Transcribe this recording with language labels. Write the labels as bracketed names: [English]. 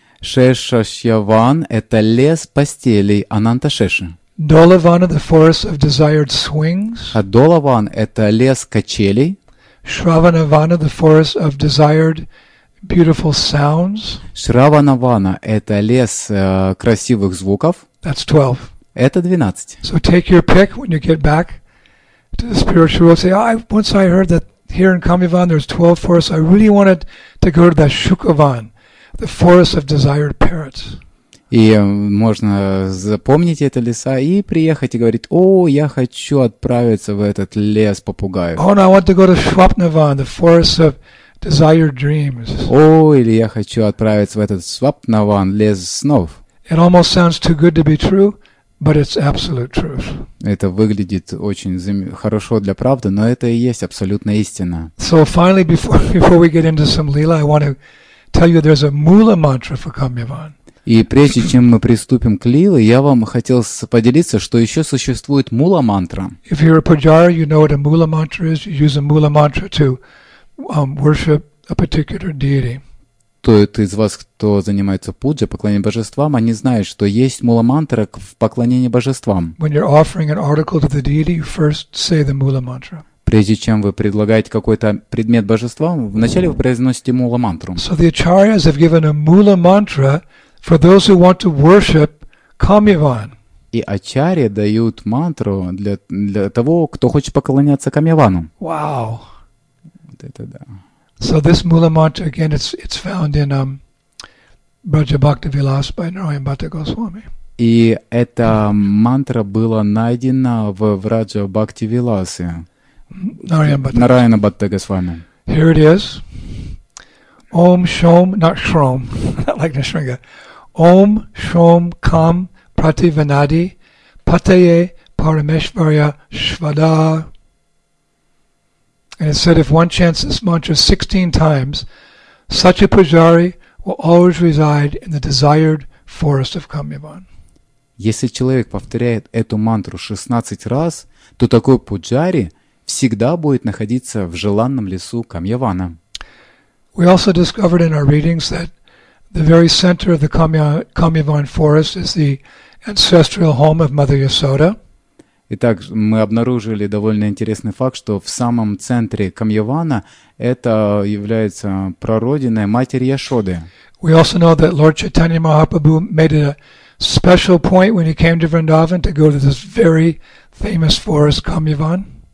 [Russian] Шешашьяван – это лес постелей Ананта-шеши. [English] Долавана – the forest of desired swings. [Russian] Долаван – это лес качелей. [English] Шравана-вана – the forest of desired beautiful sounds. [Russian] Шравана-вана – это лес красивых звуков. [English] That's 12. [Russian] Это 12. [English] So take your pick when you get back to the spiritual world. Say, once I heard that here in Kamivan there's 12 forests, I really wanted to go to that Shukavan. The forest of desired parrots. [Russian] И можно запомнить эти леса и приехать и говорить: «О, я хочу отправиться в этот лес попугаев». [English] Oh, no, I want to go to Swapnavana, the forest of desired dreams. [Russian] О, или я хочу отправиться в этот Swapnavana, лес снов. [English] It almost sounds too good to be true, but it's absolute truth. [Russian] Это выглядит очень хорошо для правды, но это и есть абсолютная истина. [English] So finally, before we get into some lila, I want to tell you there's a mula mantra for Kamyavan. [Russian] И прежде чем мы приступим к лиле, я вам хотел поделиться, что еще существует мула мантра. [English] If you're a pujari, you know what a mula mantra is. You use a mula mantra to worship a particular deity. [Russian] То это из вас, кто занимается пуджа, поклонением божествам, они знают, что есть мула мантра в поклонении божествам. [English] When you're offering an article to the deity, you first say the mula mantra. [Russian] Прежде чем вы предлагаете какой-то предмет божествам, вначале вы произносите мула мантру. [English] So the acharyas have given a mula mantra for those who want to worship Kamyavan. [Russian] И ачарьи дают мантру для того, кто хочет поклоняться Камьявану. [English] Wow. [Russian] Вот это да. [English] So this mula mantra again, it's found in Braja Bhakti Vilas by Narayan Bhatta Goswami. [Russian] И эта мантра была найдена в Враджа Бхакти Виласе. [English] Narayana Bhatta Goswami. Here it is. [Sanskrit] Om Shom, [English] not Shrom, not like [Sanskrit] Nishringa. Om Shom Kam Prativanadi Pataye Parameshvarya Shvada. [English] And it said, if one chants this mantra 16 times, such a pujari will always reside in the desired forest of Kamyavan. [Russian] Если человек повторяет эту мантру 16 раз, то такой пуджари всегда будет находиться в желанном лесу Камьявана. [English] We also discovered in our readings that the very center of the Kamyavan forest is the ancestral home of Mother Yasoda. [Russian] Итак, мы обнаружили довольно интересный факт, что в самом центре Камьявана это является прародиной матери Яшоды. [English] We also know that Lord Chaitanya Mahaprabhu made it a special point when he came to Vrindavan to go to this very famous forest, Kamyavan.